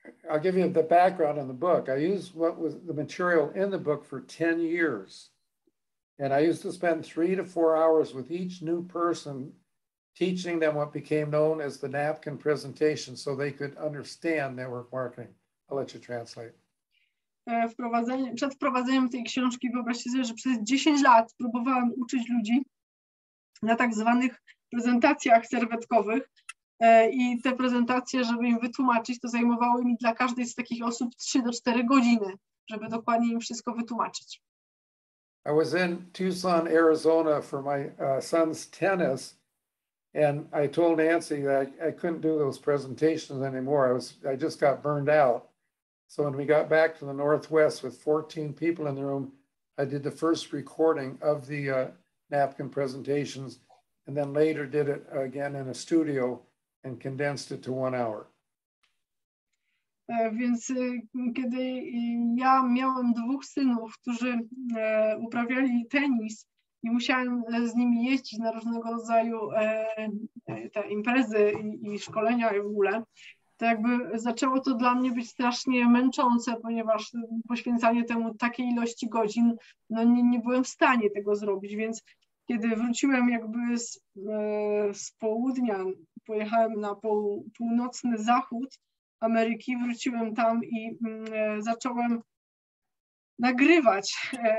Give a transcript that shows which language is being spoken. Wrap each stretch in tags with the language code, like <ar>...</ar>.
<en>I'll give you the background on the book. I used what was the material in the book for 10 years. And I used to spend 3 to 4 hours with each new person, teaching them what became known as the napkin presentation so they could understand network marketing. I'll let you translate.</en> <pl>Przed wprowadzeniem tej książki wyobraźcie sobie, że przez 10 lat próbowałam uczyć ludzi na tak zwanych prezentacjach serwetkowych. I te prezentacje, żeby im wytłumaczyć, to zajmowały mi dla każdej z takich osób 3 do 4 godziny, żeby dokładnie im wszystko wytłumaczyć.</pl> <en>I was in Tucson, Arizona for my son's tennis, and I told Nancy that I couldn't do those presentations anymore. I just got burned out. So when we got back to the Northwest with 14 people in the room, I did the first recording of the napkin presentations, and then later did it again in a studio and condensed it to 1 hour.</en> <pl>Więc kiedy ja miałam dwóch synów, którzy uprawiali tenis i musiałam z nimi jeździć na różnego rodzaju te imprezy i szkolenia i w ogóle, to jakby zaczęło to dla mnie być strasznie męczące, ponieważ poświęcanie temu takiej ilości godzin, no nie byłem w stanie tego zrobić, więc kiedy wróciłem jakby z południa, pojechałem na północny zachód Ameryki, wróciłem tam i zacząłem nagrywać</pl>